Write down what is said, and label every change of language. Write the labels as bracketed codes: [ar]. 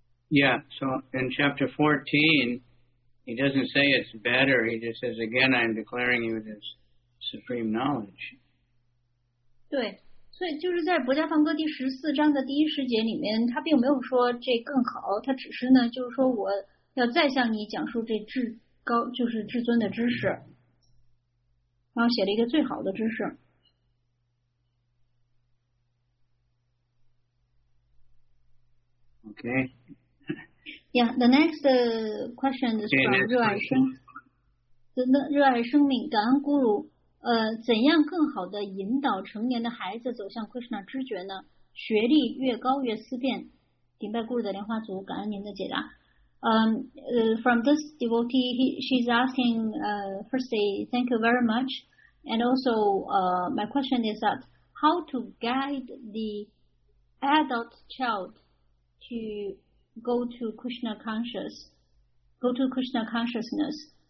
[en] Yeah, so in chapter 14, he doesn't say it's better. He just says, again, I'm declaring you this supreme knowledge. [zh] 对，所以就是在《薄伽梵歌》第十四章的第一十节里面，他并没有说这更好，他只是呢，就是说我要再向你讲述这至高，就是至尊的知识，然后写了一个最好的知识。 [en] Okay. Yeah, the next question is from 热爱生命感恩咕噜。 [zh] 怎样更好的引导成年的孩子走向 Krishna 知觉呢？学历越高越思辨。顶拜咕噜的莲花组，感恩您的解答。 [en] From this devotee, she's asking, firstly, thank you very much. And also, my question is that how to guide the adult child to... go to Krishna conscious, go to Krishna consciousness.